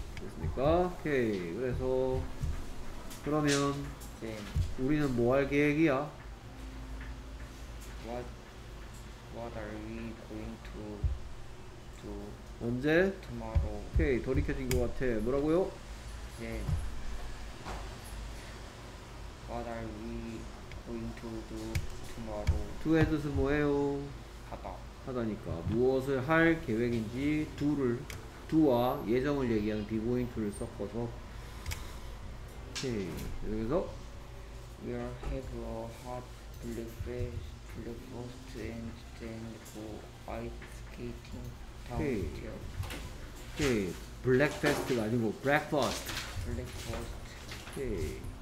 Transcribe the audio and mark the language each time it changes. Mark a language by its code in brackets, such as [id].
[ko] 됐습니까? 오케이. 그래서 그러면 [en] then [ko] 우리는 뭐 할 계획이야? [en] What are we going to do [ko] 언제? [en] Tomorrow. [ko] 오케이, 돌이켜진 것 같아. 뭐라고요? [en] Then What are we going to do tomorrow? [ko] Do의 뜻은 뭐예요? 하다. 하다니까. 무엇을 할 계획인지 do를 do와 예정을 얘기하는 [en] be going to [ko] 를 섞어서 오케이, 여기서 [en] We are have a hot breakfast and then go ice skating. [ko] 오케이. 오케이. 블랙패스트가 아니고 브렉퍼스트. 블랙퍼스트. 오케이.